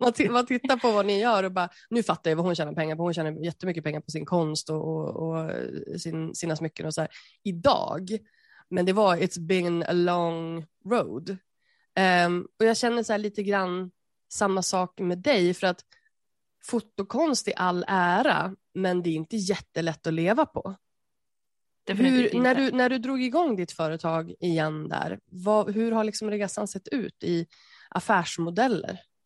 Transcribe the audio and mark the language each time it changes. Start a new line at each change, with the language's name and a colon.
Swedish: man tittar på vad ni gör och bara, nu fattar jag vad hon tjänar pengar på. Hon tjänar jättemycket pengar på sin konst och sina smycken och så här idag. Men det var,
English: it's been a long road.
Swedish: Och jag känner så här lite grann samma sak med dig, för att fotokonst i all ära, men det är inte jättelätt att leva på. När du drog igång ditt företag igen där, hur har liksom resan sett ut i affärsmodeller?